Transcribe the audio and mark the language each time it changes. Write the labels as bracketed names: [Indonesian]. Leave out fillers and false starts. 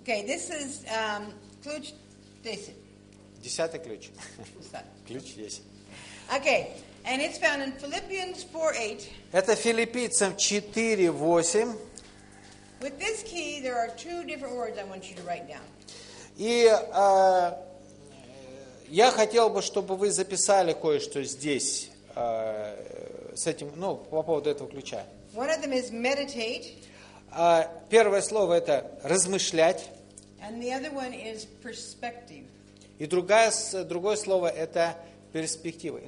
[English] Okay, this is ключ 10. [Russian] Десятый ключ. Ключ 10. [English] Okay, and it's found in Philippians 4:8. [Russian] Это Филиппийцам 4:8. [English] With this key, there are two different words I want you to write down. [Russian] И я хотел бы, чтобы вы записали кое-что здесь с этим, ну, по поводу этого ключа. [English] One of them is meditate. [Russian] Первое слово это размышлять. [English] And the other one is perspective. [Russian] И другое слово это перспектива.